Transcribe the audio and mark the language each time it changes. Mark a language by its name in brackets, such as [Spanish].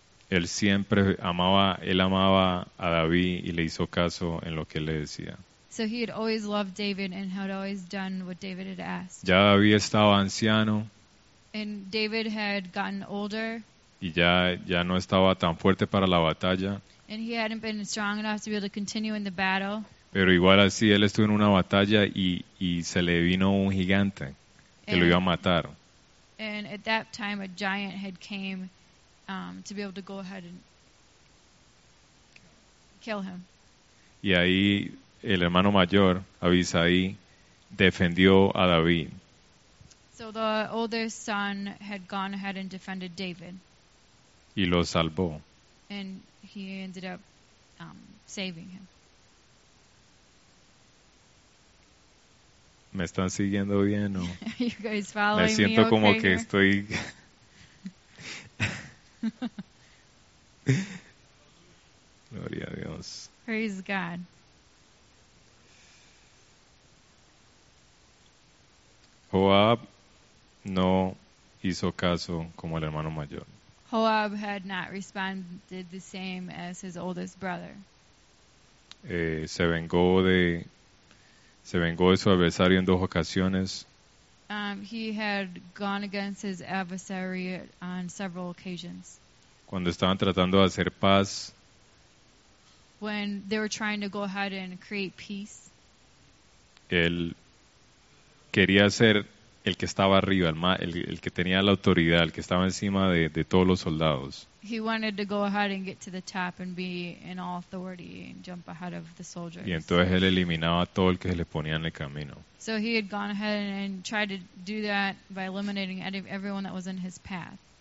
[Spanish] Él siempre amaba a David y le hizo caso en lo que él le decía. [English] So he had always loved David and had always done what David had asked. [Spanish] Ya David estaba anciano. [English] And David had gotten older. [Spanish] Y ya no estaba tan fuerte para la batalla. [English] And he hadn't been strong enough to be able to continue in the battle. [Spanish] Pero igual así, él estuvo en una batalla y se le vino un gigante que lo iba a matar. [English] And at that time, a giant had came to be able to go ahead and kill him. [Spanish] Y ahí el hermano mayor, Abisaí, defendió a David. [English] So the oldest son had gone ahead and defended David. [Spanish] Y lo salvó. [English] And he ended up saving him. [Spanish] ¿Me están siguiendo bien o? [English] You guys following [Spanish] me? Me siento [English] me okay [Spanish] como [English] here? [Spanish] Que estoy. Gloria a Dios. [English] Praise God. [Spanish] Joab no hizo caso como el hermano mayor. [English] Joab had not responded the same as his oldest brother. [Spanish] Se vengó de su adversario en dos ocasiones. [English] He had gone against his adversary on several occasions. [Spanish] Cuando estaban tratando de hacer paz. [English] When they were trying to go ahead and create peace. [Spanish] Él quería ser el que estaba arriba, el que tenía la autoridad, el que estaba encima de todos los soldados. [English] He wanted to go ahead and get to the top and be in all authority and jump ahead of the soldiers. [Spanish] Y entonces él eliminaba a todo el que se le ponía en el camino. [English] So he had gone ahead and tried to do that by eliminating everyone that was in his path.